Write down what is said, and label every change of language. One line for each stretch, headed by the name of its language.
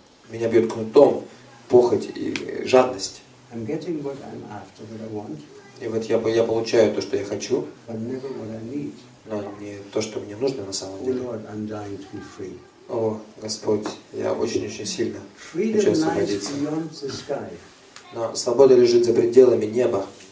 Russian: Меня бьет кнутом похоть и жадность.
English: I'm getting what I'm after, what I want.
Russian: И вот я получаю то, что я хочу,
English: but never what I need.
Russian: Но не то, что мне нужно на самом деле.
English: Lord, I'm dying to be free.
Russian: О, Господь, я очень-очень сильно
English: freedom
Russian: хочу освободиться.
English: The sky.
Russian: Но свобода лежит за пределами неба.